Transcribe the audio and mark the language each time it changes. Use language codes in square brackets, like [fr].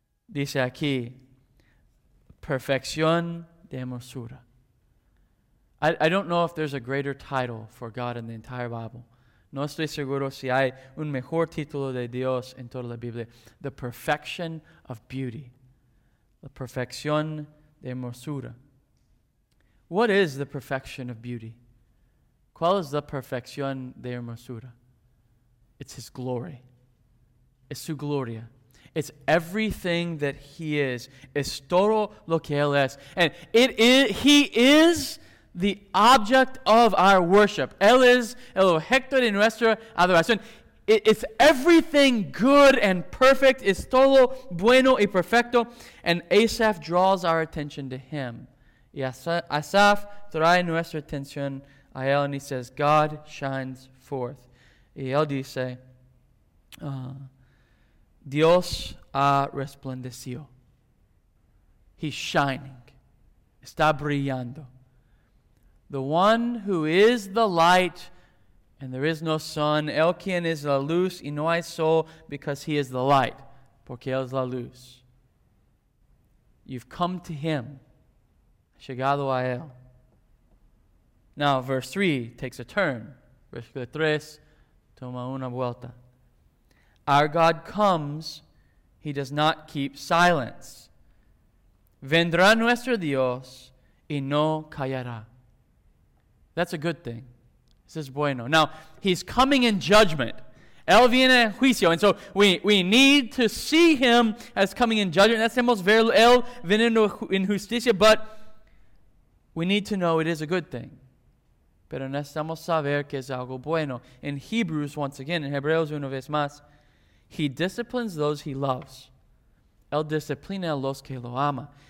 [es] Dice aquí, perfección de hermosura. [en] I don't know if there's a greater title for God in the entire Bible. [es] No estoy seguro si hay un mejor título de Dios en toda la Biblia. [en] The perfection of beauty. [es] La perfección de hermosura. [en] What is the perfection of beauty? [es] ¿Cuál es la perfección de hermosura? [en] It's His glory. [es] Es su gloria. [en] It's everything that He is. [es] Es todo lo que Él es. [en] And it is, He is the object of our worship. [es] Él es el objeto de nuestra adoración. [en] It's everything good and perfect. [es] Es todo bueno y perfecto. [en] And Asaph draws our attention to Him. [es] Y Asaph trae nuestra atención a Él. [en] And he says, God shines forth. [es] Y Él dice, Dios ha resplandecido. [en] He's shining. [es] Está brillando. [en] The one who is the light and there is no sun. [es] El quien es la luz y no hay sol [en] because He is the light. [es] Porque Él es la luz. [en] You've come to Him. [es] Llegado a Él. [en] Now, verse 3 takes a turn. [es] Versículo 3 toma una vuelta. [en] Our God comes, He does not keep silence. [es] Vendrá nuestro Dios y no callará. [en] That's a good thing. This is bueno. Now, He's coming in judgment. [es] Él viene en juicio. [en] And so we need to see Him as coming in judgment. That's the most verlo. [es] Él viene en justicia. [en] But we need to know it is a good thing. [es] Pero necesitamos saber que es algo bueno. [en] In Hebrews, once again, [es] in Hebreos una vez más, [en] He disciplines those He loves. [es] Él disciplina a los que lo ama.